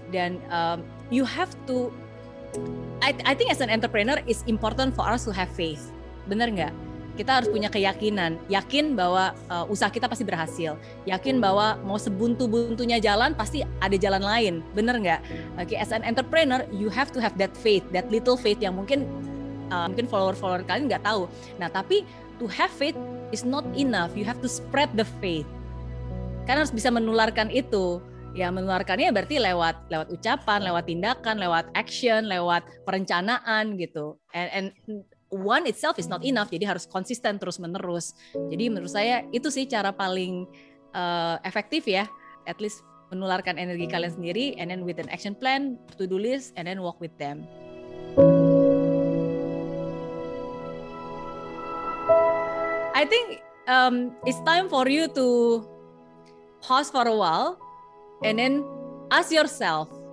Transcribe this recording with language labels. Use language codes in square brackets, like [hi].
[en] Dan you have to, I think as an entrepreneur it's important for us to have faith. [id] Benar nggak? Kita harus punya keyakinan, yakin bahwa usaha kita pasti berhasil, yakin bahwa mau sebuntu-buntunya jalan pasti ada jalan lain. Benar nggak? [en] Oke, as an entrepreneur you have to have that faith, that little faith [id] yang mungkin follower-follower kalian nggak tahu. [en] Nah, tapi to have faith is not enough. You have to spread the faith. [id] Kalian harus bisa menularkan itu. Ya, menularkannya berarti lewat ucapan, lewat tindakan, lewat action, lewat perencanaan gitu. [en] And one itself is not enough. [id] Jadi harus konsisten terus-menerus. Jadi menurut saya itu sih cara paling efektif ya. [en] At least [id] menularkan energi kalian sendiri [en] and then with an action plan, to-do list, and then walk with them. I think it's time for you to pause for a while and then ask yourself.